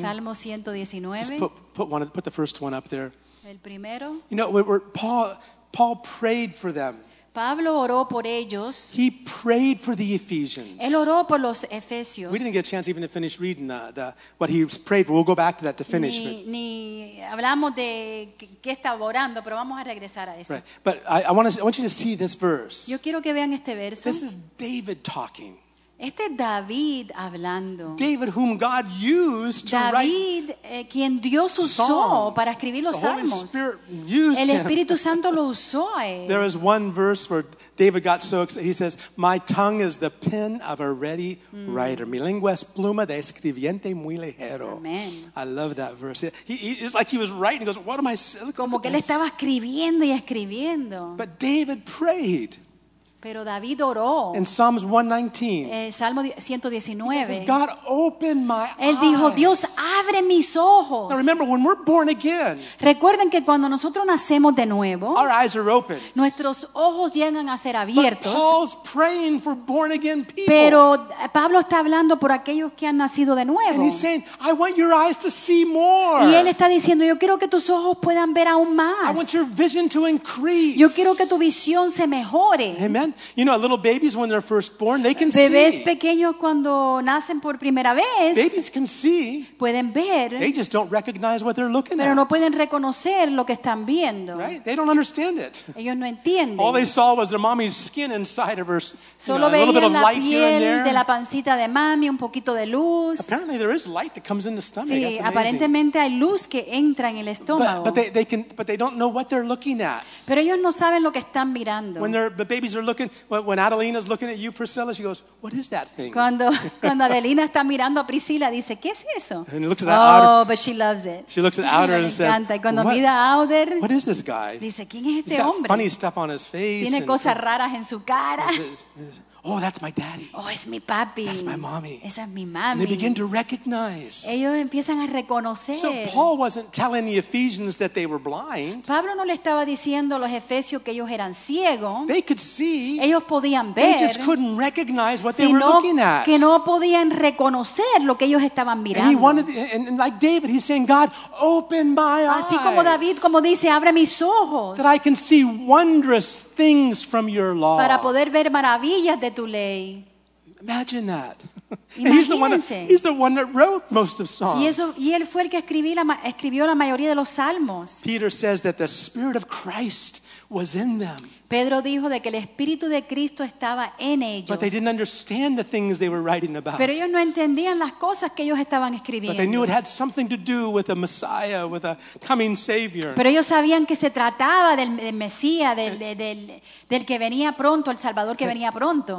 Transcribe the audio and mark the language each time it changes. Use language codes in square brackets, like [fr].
[es] Salmo 119. [en] Just put the first one up there. [es] El primero. [en] You know, Paul prayed for them. [es] Pablo oró por ellos. [en] He prayed for the Ephesians. [es] Él oró por los Efesios. [en] We didn't get a chance even to finish reading what he prayed for. We'll go back to that to finish. [es] Ni hablamos de qué estaba orando, pero vamos a regresar a eso. [en] Right. But I want you to see this verse. [es] Yo quiero que vean este verso. [en] This is David talking. [es] Este David hablando. [en] David, whom God used to [es] David, [en] write [es] quien Dios usó [en] Psalms. [es] Para escribir los salmos. El Espíritu [en] him. [es] Santo lo usó a él. [en] There is one verse where David got so excited. He says, "My tongue is the pen of a ready writer. [es] Mi lengua es pluma de escribiente muy ligero." [en] Amen. I love that verse. It's like he was writing. He goes, "What am I saying?" [es] Como que él estaba escribiendo y escribiendo. [en] But David prayed. [es] Pero David oró. [en] In Psalms 119. [es] Salmo 119. [en] He says, "God, open my eyes." [es] Él dijo, "Dios, abre mis ojos." [en] Now remember, when we're born again. [es] Recuerden que cuando nosotros nacemos de nuevo. [en] Our eyes are open. [es] Nuestros ojos llegan a ser abiertos. [en] But Paul's praying for born again people. [es] Pero Pablo está hablando por aquellos que han nacido de nuevo. [en] And he's saying, "I want your eyes to see more." [es] Y él está diciendo, "Yo quiero que tus ojos puedan ver aún más." [en] I want your vision to increase. [es] Yo quiero que tu visión se mejore. [en] Amen. You know, little babies when they're first born, they can [es] bebés [en] see. [es] Bebés pequeños cuando nacen por primera vez. [en] Babies can see. [es] Pueden ver. [en] They just don't recognize what they're looking [es] pero [en] at. [es] Pero no pueden reconocer lo que están viendo. [en] Right? They don't understand it. [es] Ellos no entienden. [en] All they saw was their mommy's skin inside of her. [es] Solo veían la piel [en] here and there. [es] De la pancita de mami, un poquito de luz. [en] Apparently, there is light that comes in the stomach. [es] Sí, [en] that's [es] aparentemente [en] amazing. [es] Hay luz que entra en el estómago. [en] But they don't know what they're looking at. [es] Pero ellos no saben lo que están mirando. [en] When the babies are looking. When Adelina is looking at you, Priscilla, she goes, "What is that thing?" [es] Cuando Adelina está mirando a Priscilla, dice, "¿Qué es eso?" [en] And looks at oh, outer, but she loves it. She looks at Outer and says, [es] y cuando mira a Outer, [en] "What is this guy?" [es] Dice, "¿Quién es este hombre?" [en] Funny stuff on his face. [es] Tiene cosas raras en su cara. [en] "Oh, that's my daddy." [es] Oh, es mi papi. [en] "That's my mommy." [es] Esa es mi mami. [en] And they begin to recognize. [es] Ellos empiezan a reconocer. [en] So Paul wasn't telling the Ephesians that they were blind. [es] Pablo no le estaba diciendo a los efesios que ellos eran ciegos. [en] They could see. [es] Ellos podían ver. [en] They just couldn't recognize what they were looking at. [es] Que no podían reconocer lo que ellos estaban mirando. [en] And he wanted, and like David, he's saying, "God, open my [es] así [en] eyes." [es] Así como David, como dice, abre mis ojos. [en] "That I can see wondrous things from your law." [es] Para poder ver maravillas de tu ley. [en] Imagine that. He's the one that wrote most of Psalms. [es] Y eso, y él fue el que escribió la mayoría de los salmos. [en] Peter says that the Spirit of Christ was in them. [es] Pedro dijo de que el Espíritu de Cristo estaba en ellos. [en] But they didn't understand the things they were writing about. [es] Pero ellos no entendían las cosas que ellos estaban escribiendo. [en] But they knew it had something to do with a Messiah, with a coming Savior. [es] Pero ellos sabían que se trataba del Mesías, del que venía pronto, el Salvador que venía pronto.